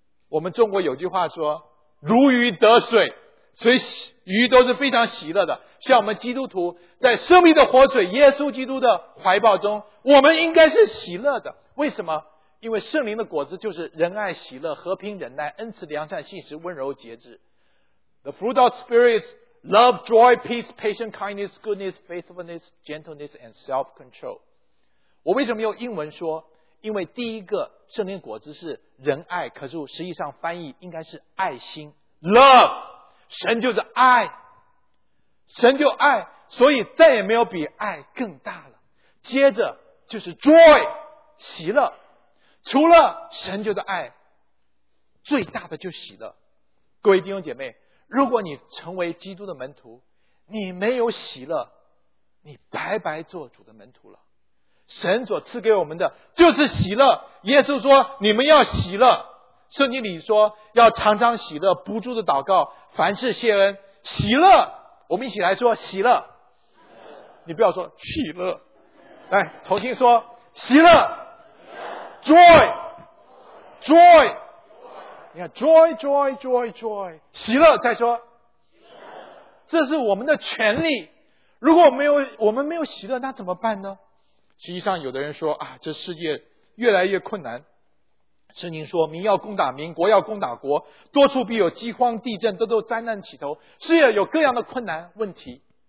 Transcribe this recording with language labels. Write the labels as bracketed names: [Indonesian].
[Chinese] 我们中国有句话说，如鱼得水，所以鱼都是非常喜乐的。像我们基督徒在生命的活水耶稣基督的怀抱中，我们应该是喜乐的。为什么？因为圣灵的果子就是仁爱、喜乐、和平、忍耐、恩慈、良善、信实、温柔、节制。 [English] The fruit of spirit is love, joy, peace, patience, kindness, goodness, faithfulness, gentleness and self-control. [Chinese] 我为什么用英文说？因为第一个圣灵果子是仁爱，可是实际上翻译应该是爱心 love。神就是爱，神就爱，所以再也没有比爱更大了。接着就是 joy, 喜乐，除了神就是爱，最大的就是喜乐。各位弟兄姐妹，如果你成为基督的门徒，你没有喜乐，你白白做主的门徒了。神所赐给我们的就是喜乐。耶稣说你们要喜乐，圣经里说要常常喜乐，不住的祷告，凡事谢恩。喜乐，我们一起来说喜乐。你不要说喜乐，来重新说喜乐。 [English] joy joy, [Chinese] 你看 [English] joy joy joy joy, [Chinese] 喜乐。再说这是我们的权利，如果我们没有喜乐那怎么办呢？实际上有的人说啊，这世界越来越困难。圣经说民要攻打民，国要攻打国，多处必有饥荒地震，都有灾难起头，世界有各样的困难问题。